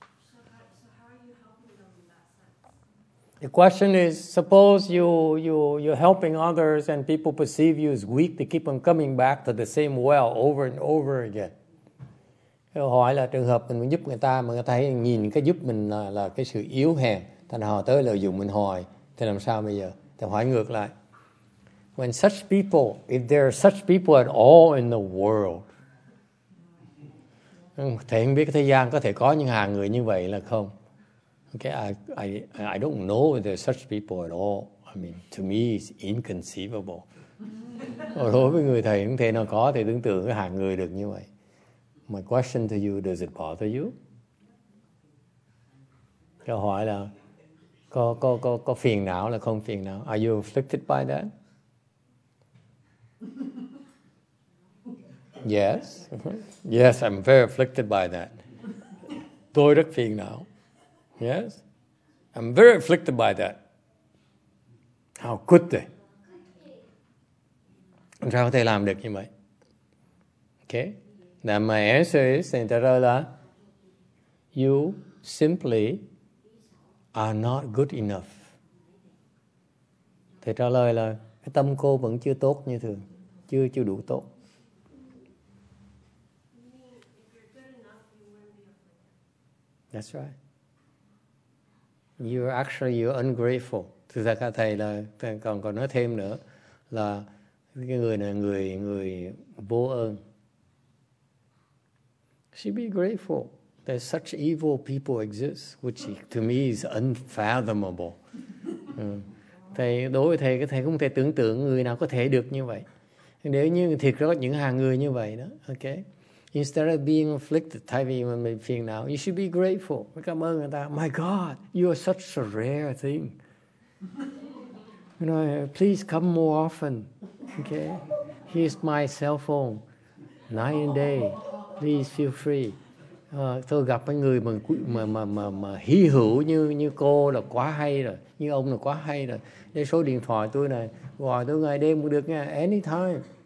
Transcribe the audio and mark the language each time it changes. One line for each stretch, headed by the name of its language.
English: So how are you helping them in that sense? The question is, suppose you're helping others and people perceive you as weak, they keep on coming back to the same well over and over again.
Vietnamese: Câu hỏi là trường hợp mình giúp người ta mà người ta thấy nhìn cái giúp mình là cái sự yếu hèn, thành họ tới lợi dụng mình hỏi, thì làm sao bây giờ? Thì hỏi ngược lại.
English: When such people, if there are such people at all in the world,
Vietnamese: thì không biết thế gian có thể có những hàng người như vậy là không.
English: Okay, I don't know if there are such people at all. I mean, to me, it's inconceivable.
Vietnamese: Đối với người thầy, không thể nào có thể tưởng tượng cái hàng người được như vậy.
English: My question to you, does it bother you?
Vietnamese: Câu hỏi là, có phiền não là không phiền não?
English: Are you afflicted by that? Yes. Yes, I'm very afflicted by that.
Vietnamese: Tôi rất phiền não.
English: Yes. I'm very afflicted by that. How could they?
Vietnamese: Sao có thể làm được như vậy?
English: Okay. Now my answer is, in Tarala, you simply are not good enough.
Vietnamese: Thầy trả lời là, cái tâm cô vẫn chưa tốt như thường. Chưa đủ tốt.
English: That's right. You're ungrateful.
Vietnamese: Thực ra các thầy là còn nói thêm nữa là cái người này người vô ơn.
English: Should be grateful that such evil people exist, which to me is unfathomable.
Vietnamese: Thầy đối với thầy cái thầy không thể tưởng tượng người nào có thể được như vậy. Nếu như thiệt có những hàng người như vậy đó, okay?
English: Instead of being afflicted,
Vietnamese: thay vì mình phiền não,
English: you should be grateful.
Vietnamese: Mình cảm ơn người ta.
English: My God, you are such a rare thing. You know, please come more often. Okay? Here's my cell phone. Night and day. please feel free.
Vietnamese: Tôi gặp mấy người mà hy hữu như cô là quá hay rồi, như ông là quá hay rồi. Đây số điện thoại tôi này, gọi tôi ngày đêm cũng được nha, anytime.